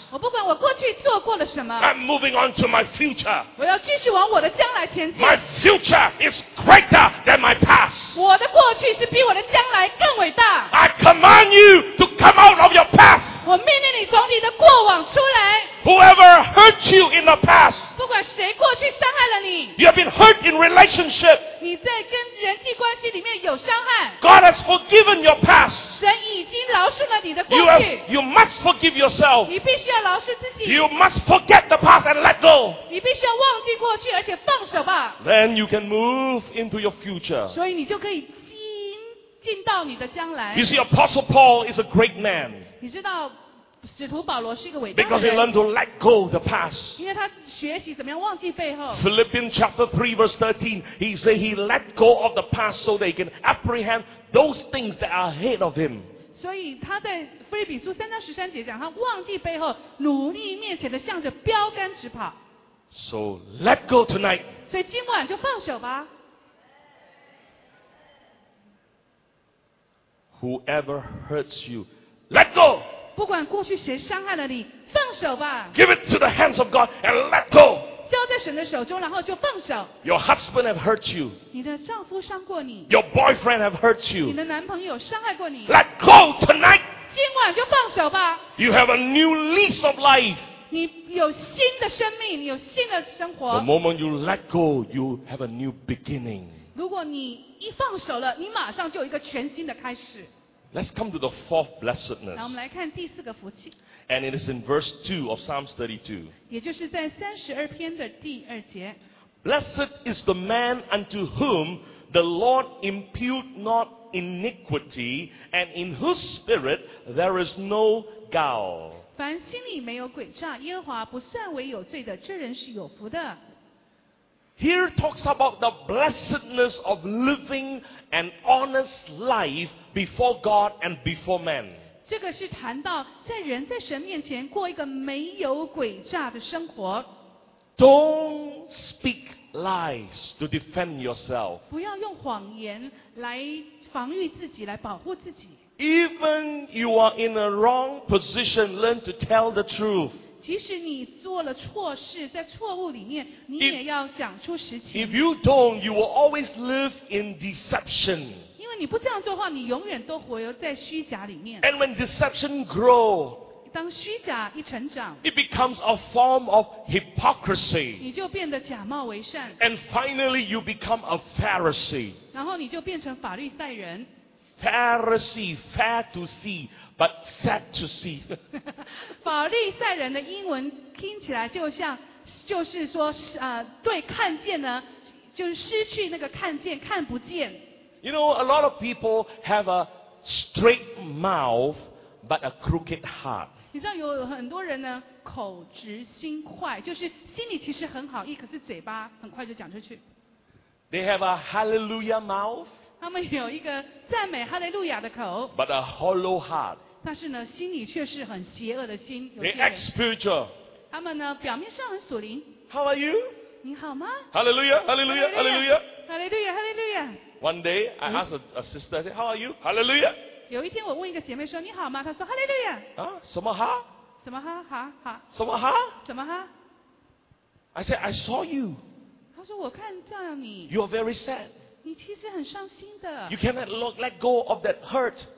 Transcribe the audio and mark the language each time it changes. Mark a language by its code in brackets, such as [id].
[zh] 我不管我过去做过了什么。 [en] I'm moving on to my future. [zh] 我要继续往我的将来前进。 [en] My future is greater than my past. [zh] 我的过去是比我的将来更伟大。 [en] I command you to come out of your past. [zh] 我命令你从你的过往出来。 [en] Whoever hurt you in the past. [zh] 不管谁过去伤害了你。 [en] You have been hurt in relationship. [zh] 你在跟人际关系里面有伤害。 [en] God has forgiven your past. [zh] 神已经饶恕了你的过去。 [en] You must forgive yourself. [zh] 你必须要饶恕自己。 [en] You must forget the past and let go. [zh] 你必须要忘记过去而且放手吧。 [en] Then you can move into your future. [zh] 所以你就可以进到你的将来。 [en] You see, Apostle Paul is a great man. [zh] 你知道使徒保罗是一个伟大人。 [en] Because he learned to let go the past. [zh] 因为他学习怎么样忘记背后。 [en] Philippians chapter 3 verse 13, he said he let go of the past so that he can apprehend those things that are ahead of him. [zh] 所以他在腓立比书三章十三节讲，他忘记背后，努力面前的，向着标杆直跑。 [en] So let go tonight. [zh] 所以今晚就放手吧。 [en] Whoever hurts you, let go. [zh] 不管过去谁伤害了你，放手吧。 [en] Give it to the hands of God and let go. [zh] 交在神的手中，然后就放手。 [en] Your husband have hurt you. [zh] 你的丈夫伤过你。 [en] Your boyfriend have hurt you. [zh] 你的男朋友伤害过你。 [en] Let go tonight. [zh] 今晚就放手吧。 [en] You have a new lease of life. [zh] 你有新的生命，你有新的生活。 [en] The moment you let go, you have a new beginning. [zh] 如果你一放手了，你马上就有一个全新的开始。 [en] Let's come to the fourth blessedness. [zh] 那我们来看第四个福气。 [en] And it is in verse 2 of Psalms 32. [zh] 也就是在32篇的第二节。 [en] Blessed is the man unto whom the Lord impute not iniquity, and in whose spirit there is no guile. [zh] 凡心里没有诡诈，耶和华不算为有罪的，这人是有福的。 [en] Here talks about the blessedness of living an honest life before God and before man. [zh] 这个是谈到在人在神面前过一个没有诡诈的生活。 [en] Don't speak lies to defend yourself. [zh] 不要用谎言来防御自己，来保护自己。 [en] Even you are in a wrong position, learn to tell the truth. [zh] 即使你做了错事，在错误里面，你也要讲出实情。 [en] If you don't, you will always live in deception. [zh] 因为你不这样做的话，你永远都活在虚假里面。 [en] And when deception grow, [zh] 当虚假一成长， [en] it becomes a form of hypocrisy. [zh] 你就变得假冒为善。 [en] And finally, you become a Pharisee. [zh] 然后你就变成法律赛人。 [en] Pharisee, fair to see. But sad to see. [zh] 法利赛人的英文听起来就像，就是说，对看见呢，就是失去那个看见，看不见。 [en] You know, a lot of people have a straight mouth but a crooked heart. [zh] 你知道有很多人呢，口直心快，就是心里其实很好意，可是嘴巴很快就讲出去。 [en] They have a hallelujah mouth. [zh] 他们有一个赞美哈利路亚的口 [en] ，but a hollow heart. [zh] 但是呢，心里却是很邪恶的心。 [en] They act spiritual. [zh] 他们呢，表面上很属灵。 [en] How are you? [zh] 你好吗 [en] ？Hallelujah, Hallelujah, Hallelujah. Hallelujah, Hallelujah. One day, I asked a sister, I said, "How are you? Hallelujah." [zh] 有一天，我问一个姐妹说：“你好吗？” 她说 ：“Hallelujah。” 啊，什么哈？什么哈？哈哈。什么哈？什么哈 [en] ？I said, "I saw you." [zh] 她说：“我看到你。 [en] ”You are very sad. [zh] 你其实很伤心的。 [en] You cannot let go of that hurt.